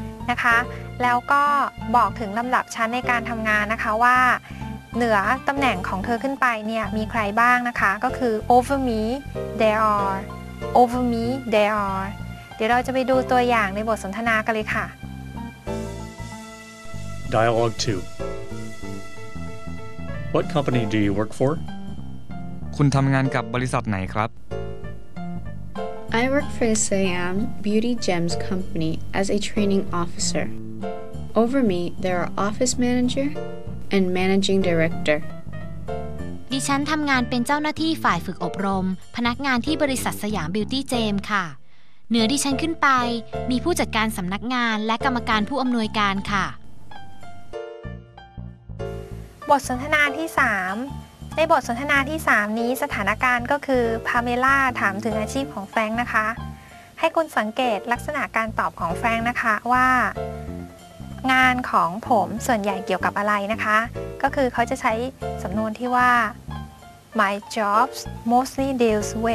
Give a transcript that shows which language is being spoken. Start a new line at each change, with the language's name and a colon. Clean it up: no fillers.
Thai: นะคะแล้วก็บอกถึงลำดับชั้นในการทำงานนะคะว่าเหนือตำแหน่งของเธอขึ้นไปเนี่ยมีใครบ้างนะคะก็คือ
English: over me there are
Thai: over me there are เดี๋ยวเราจะไปดูตัวอย่างในบทสนทนากันเลยค่ะ
English: Dialogue 2 What company do you work for?
Thai: คุณทำงานกับบริษัทไหนครับ
English: I work for Siam Beauty Gems Company as a training officer. Over me, there are office manager and managing director.
Thai: ดิฉันทำงานเป็นเจ้าหน้าที่ฝ่ายฝึกอบรมพนักงานที่บริษัทสยามบิวตี้เจมส์ค่ะเหนือดิฉันขึ้นไปมีผู้จัดการสำนักงานและกรรมการผู้อำนวยการค่ะ บทสนทนาที่3ในบทสนทนาที่3นี้สถานการณ์ก็คือพาเมล่าถามถึงอาชีพของแฟรงค์นะคะให้คุณสังเกตลักษณะการตอบของแฟรงค์นะคะว่างานของผมส่วนใหญ่เกี่ยวกับอะไรนะคะก็คือเขาจะใช้สำนวนที่ว่า
English: my jobs mostly deals